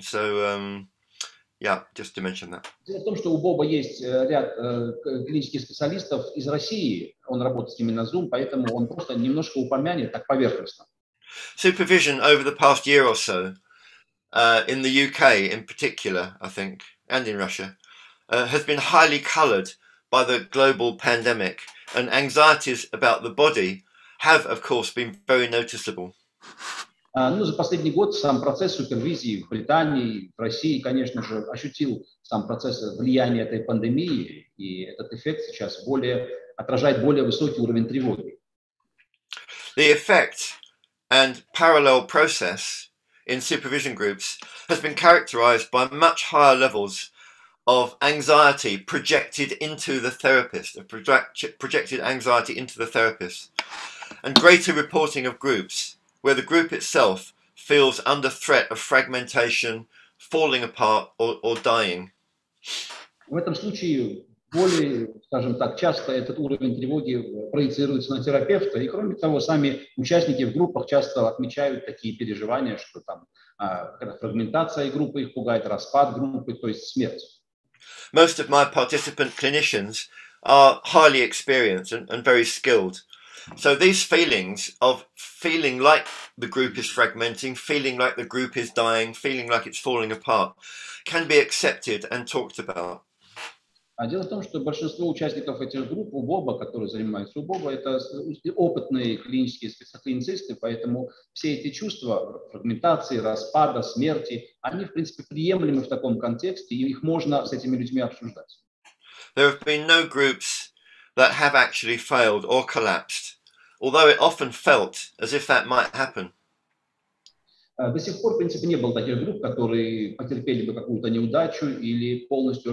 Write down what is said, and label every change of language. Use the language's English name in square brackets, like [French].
[English] So, just to mention that. [Russian] Дело в том, что у Боба есть ряд клинических специалистов из России. Он работает с ними на Zoom, поэтому он просто немножко упомянет так поверхностно. [English] Supervision over the past year or so, in the UK in particular, I think, and in Russia, has been highly coloured by the global pandemic and anxieties about the body have, of course, been very noticeable. [Russian] За последний год сам процесс супервизии в Британии, в России, конечно же, ощутил сам процесс влияния этой пандемии, и этот эффект сейчас отражает более высокий уровень тревоги. [English] The effect and parallel process in supervision groups has been characterized by much higher levels of anxiety projected into the therapist, projected anxiety into the therapist. And greater reporting of groups, where the group itself feels under threat of fragmentation, falling apart, or dying. [Russian] В этом случае более, скажем так, часто этот уровень тревоги проецируется на терапевта, и кроме того, сами участники в группах часто отмечают такие переживания, что там фрагментация группы их пугает, распад группы, то есть смерть. [English] Most of my participant clinicians are highly experienced and very skilled. So these feelings of feeling like the group is fragmenting, feeling like the group is dying, feeling like it's falling apart, can be accepted and talked about. [Russian] Дело в том, что большинство участников этих групп у Боба, которые занимаются у Боба, это опытные клинические специалисты, поэтому все эти чувства фрагментации, распада, смерти, они в принципе приемлемы в таком контексте, и их можно с этими людьми обсуждать. [English] There have been no groups that have actually failed or collapsed, although it often felt as if that might happen. [Russian] До сих пор, в принципе, не было таких групп, которые потерпели бы какую-то неудачу или полностью